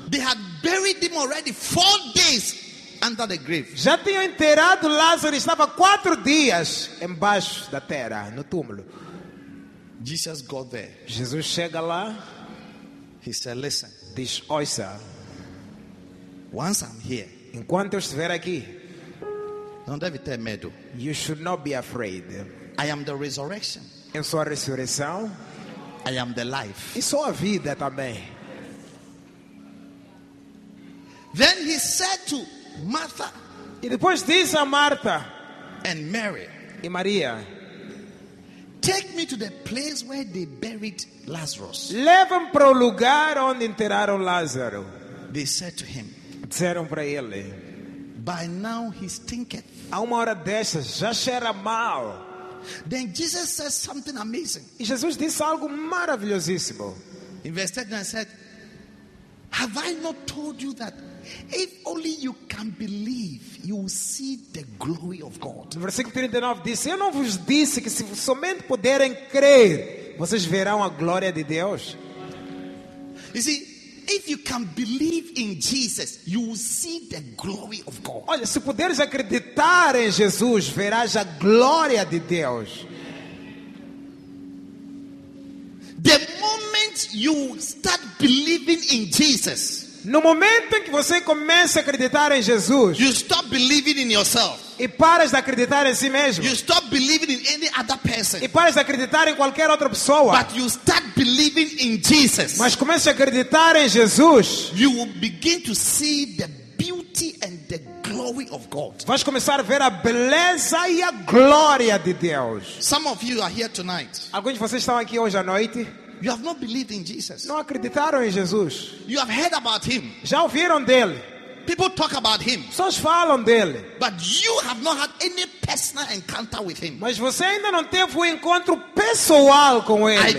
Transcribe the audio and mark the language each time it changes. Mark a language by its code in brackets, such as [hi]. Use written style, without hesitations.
[en] They had buried him already 4 days under the grave. [pt] Já tinham enterrado Lázaro, estava 4 dias embaixo da terra, no túmulo. [en] Jesus got there. [pt] Jesus chega lá. [en] He said, "Listen. [pt] Diz, ouça. [en] Once I'm here, [pt] enquanto eu estiver aqui, não deve ter medo. [en] You should not be afraid. I am the resurrection. [pt] Eu sou a ressurreição. [en] I am the life. [pt] E sou a vida também." [en] Then he said to Martha, [pt] e depois disse a Marta, [en] and Mary, [pt] e Maria, [en] "Take me to the place where they buried Lazarus." [pt] Leva-me para o lugar onde enterraram Lázaro. [en] They said to him, [pt] disseram para ele, [en] "By now he stinketh." [pt] A uma hora dessas já cheira mal. [en] Then Jesus says something amazing. [pt] E Jesus disse algo maravilhosíssimo. [en] In verse 13 he said, "Have I not told you that if only you can believe, you will see the glory of God?" [pt] Versículo 39 diz: "Eu não vos disse que se somente puderem crer, vocês verão a glória de Deus?" [en] You see, if you can believe in Jesus, you will see the glory of God. [pt] Olha, se puderes acreditar em Jesus, verás a glória de Deus. [en] The moment you start believing in Jesus, [pt] no momento em que você começa a acreditar em Jesus, [en] you stop believing in yourself. [pt] E paras de acreditar em si mesmo. [en] You stop believing in any other person. [pt] E paras de acreditar em qualquer outra pessoa. [en] But you start believing in Jesus. [pt] Mas começa a acreditar em Jesus. [en] You will begin to see the beauty and the glory of God. [pt] Vais começar a ver a beleza e a glória de Deus. [en] Some of you are here tonight. [pt] Alguns de vocês estão aqui hoje à noite. [en] You have not believed in Jesus. [pt] Não acreditaram em Jesus. [en] You have heard about him. [pt] Já ouviram dele. [en] People talk about him. [pt] Só falam dele. [en] But you have not had any personal encounter with him. [pt] Mas você ainda não teve um encontro pessoal com ele.